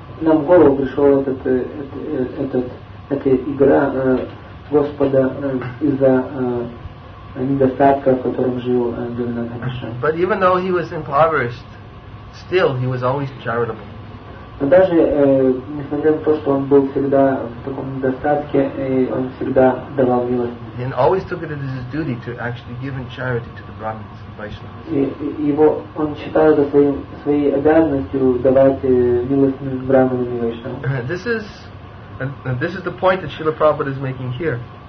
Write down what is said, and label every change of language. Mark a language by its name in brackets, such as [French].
[Russian] Нам в голову пришел эта игра Господа из-за недостатка, в котором жил Джагнатха Миша. [English] But even though he was impoverished, still he was always charitable. [Russian] Но даже несмотря на то, что он был всегда в таком недостатке, он всегда давал милость. [English] He always took it as his duty to actually give in charity to the Brahmins and Vaishnavas. [Russian] Он считал это своей обязанностью давать милостыню Брахманам и Вайшнавам. [English] This is the point that Srila Prabhupada is making here.